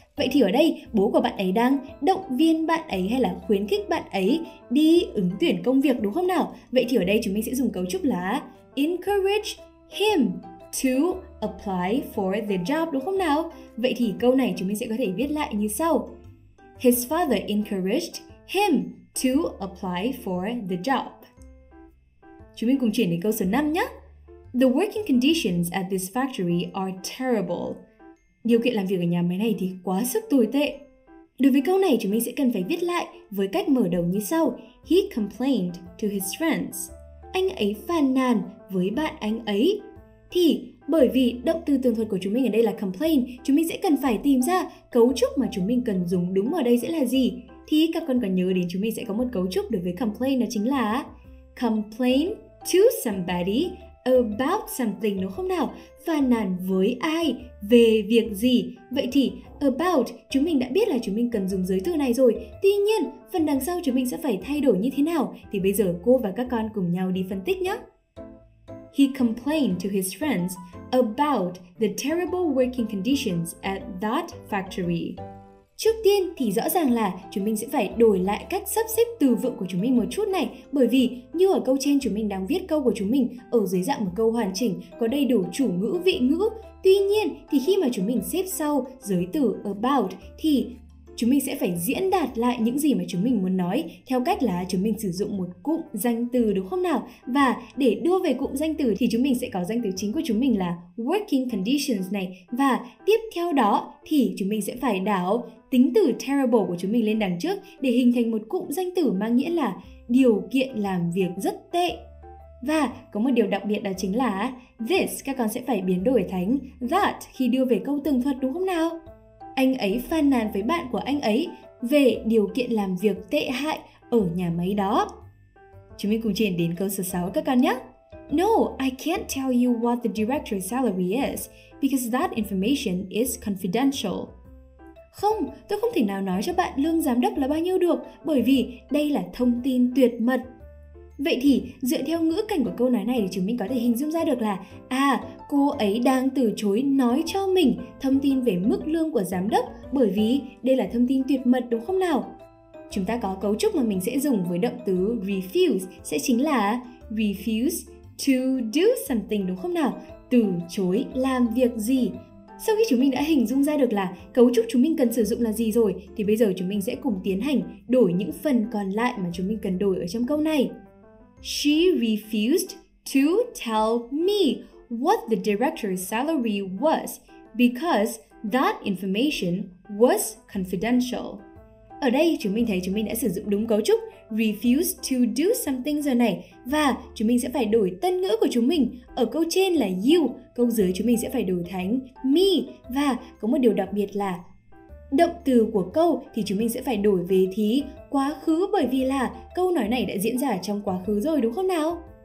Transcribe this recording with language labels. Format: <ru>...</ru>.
<vi>Vậy thì ở đây bố của bạn ấy đang động viên bạn ấy hay là khuyến khích bạn ấy đi ứng tuyển công việc, đúng không nào? Vậy thì ở đây chúng mình sẽ dùng cấu trúc là</vi> <en>encourage him to apply for the job,</en> <vi>đúng không nào? Vậy thì câu này chúng mình sẽ có thể viết lại như sau.</vi> <en>His father encouraged him to apply for the job.</en> <vi>Chúng mình cùng chuyển đến câu số 5 nhé.</vi> <en>The working conditions at this factory are terrible.</en> <vi>Điều kiện làm việc ở nhà máy này thì quá sức tồi tệ. Đối với câu này chúng mình sẽ cần phải viết lại với cách mở đầu như sau.</vi> <en>He complained to his friends.</en> <vi>Anh ấy phàn nàn với bạn anh ấy. Thì bởi vì động từ tường thuật của chúng mình ở đây là complain, chúng mình sẽ cần phải tìm ra cấu trúc mà chúng mình cần dùng đúng ở đây sẽ là gì. Thì các con có nhớ đến chúng mình sẽ có một cấu trúc đối với complain, đó chính là</vi> <en>complain to somebody about something,</en> <vi>đúng không nào? Phàn nàn với ai? Về việc gì? Vậy thì about chúng mình đã biết là chúng mình cần dùng giới từ này rồi. Tuy nhiên, phần đằng sau chúng mình sẽ phải thay đổi như thế nào? Thì bây giờ cô và các con cùng nhau đi phân tích nhé.</vi> <en>He complained to his friends about the terrible working conditions at that factory.</en> <vi>Trước tiên thì rõ ràng là chúng mình sẽ phải đổi lại cách sắp xếp từ vựng của chúng mình một chút này, bởi vì như ở câu trên chúng mình đang viết câu của chúng mình ở dưới dạng một câu hoàn chỉnh có đầy đủ chủ ngữ, vị ngữ. Tuy nhiên thì khi mà chúng mình xếp sau giới từ about thì chúng mình sẽ phải diễn đạt lại những gì mà chúng mình muốn nói theo cách là chúng mình sử dụng một cụm danh từ, đúng không nào? Và để đưa về cụm danh từ thì chúng mình sẽ có danh từ chính của chúng mình là working conditions này. Và tiếp theo đó thì chúng mình sẽ phải đảo tính từ terrible của chúng mình lên đằng trước để hình thành một cụm danh từ mang nghĩa là điều kiện làm việc rất tệ. Và có một điều đặc biệt đó chính là this các con sẽ phải biến đổi thành that khi đưa về câu tường thuật đúng không nào? Anh ấy phàn nàn với bạn của anh ấy về điều kiện làm việc tệ hại ở nhà máy đó. Chúng mình cùng chuyển đến câu số 6 các con nhé.</vi> <en>No, I can't tell you what the director's salary is because that information is confidential.</en> <vi>Không, tôi không thể nào nói cho bạn lương giám đốc là bao nhiêu được bởi vì đây là thông tin tuyệt mật. Vậy thì dựa theo ngữ cảnh của câu nói này thì chúng mình có thể hình dung ra được là à, cô ấy đang từ chối nói cho mình thông tin về mức lương của giám đốc bởi vì đây là thông tin tuyệt mật đúng không nào? Chúng ta có cấu trúc mà mình sẽ dùng với động từ refuse sẽ chính là</vi> <en>refuse to do something</en> <vi>đúng không nào? Từ chối làm việc gì? Sau khi chúng mình đã hình dung ra được là cấu trúc chúng mình cần sử dụng là gì rồi thì bây giờ chúng mình sẽ cùng tiến hành đổi những phần còn lại mà chúng mình cần đổi ở trong câu này.</vi> <en>She refused to tell me what the director's salary was because that information was confidential.</en> <vi>Ở đây chúng mình thấy chúng mình đã sử dụng đúng cấu trúc</vi> <en>refuse to do something</en> <vi>giờ này và chúng mình sẽ phải đổi tân ngữ của chúng mình. Ở câu trên là you, câu dưới chúng mình sẽ phải đổi thành me và có một điều đặc biệt là động từ của câu thì chúng mình sẽ phải đổi về thì quá khứ bởi vì là câu nói này đã diễn ra trong quá khứ rồi đúng không nào?</vi>